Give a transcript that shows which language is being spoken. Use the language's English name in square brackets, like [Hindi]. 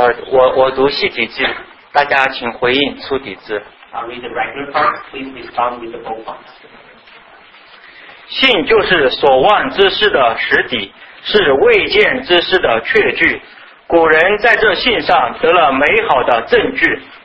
[Chinese] 我读细体字, 大家请回应粗体字。 [English] I'll read the regular part, please respond with the bold part. [Chinese] 信就是所望之事的实底, 是未见之事的确据, 古人在这信上得了美好的证据。